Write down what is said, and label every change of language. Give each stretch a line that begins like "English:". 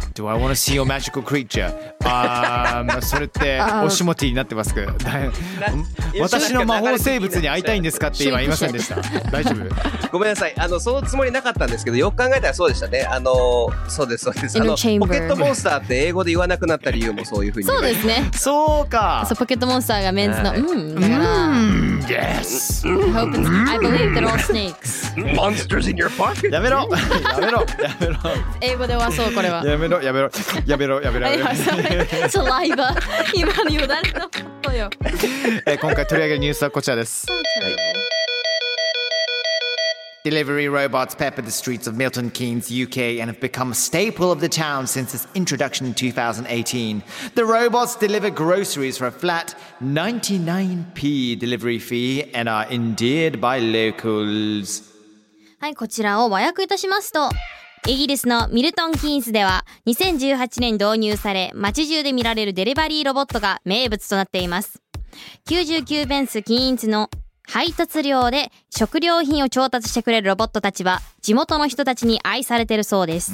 English: Do I want to see your magical creature?
Japanese: それっておしもちになってますけど、私の魔法生物に会いたいんですかって今言いませんでした。大丈夫？ごめんなさい。そのつもりなかったんですけど、よく考えたらそうでしたね。そうですそうです。ポケットモンスターって英語で言わなくなった理由もそういう風に。そうですね。そうか。そう、ポケットモンスターがメンズの、はい、
English: Yes. I believe they're all snakes. Monsters in your pocket.
Japanese: やめろ。やめろ。やめろ。英語ではそうこれは。やめろ。やめろ。やめろ。やめろ。サライバ今の言われたことよ。今回取り上げるニュースはこちらです。
English: Delivery robots pepper the streets of Milton Keynes, UK, and have become a staple of the town since its introduction in 2018. The robots deliver groceries for a flat 99p delivery fee and are endeared by locals.
Japanese: はい、こちらを和訳いたしますと、イギリスのミルトン・キーンズでは2018年導入され、街中で見られるデリバリーロボットが名物となっています。 99ベンス・キーンズの配達料で食料品を調達してくれるロボットたちは地元の人たちに愛されてるそうです。